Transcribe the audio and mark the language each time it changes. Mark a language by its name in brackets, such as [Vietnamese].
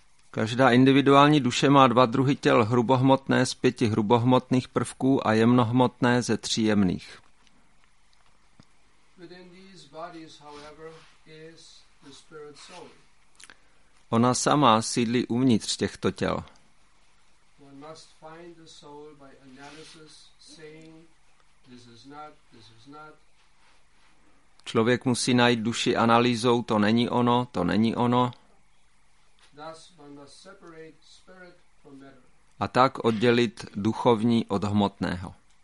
[Czech] Každá individuální duše má dva druhy těl, hrubohmotné z pěti hrubohmotných prvků a jemnohmotné ze tří jemných. [English] within these bodies, however, is the spirit soul. [Czech] Ona sama sídlí uvnitř těchto těl. [English] One must find the soul by analysis, saying, this is not, this is not. [Czech] Člověk musí najít duši analýzou, to není ono, to není ono. [English] Thus one must separate spirit from matter. [Czech] A tak oddělit duchovní od hmotného.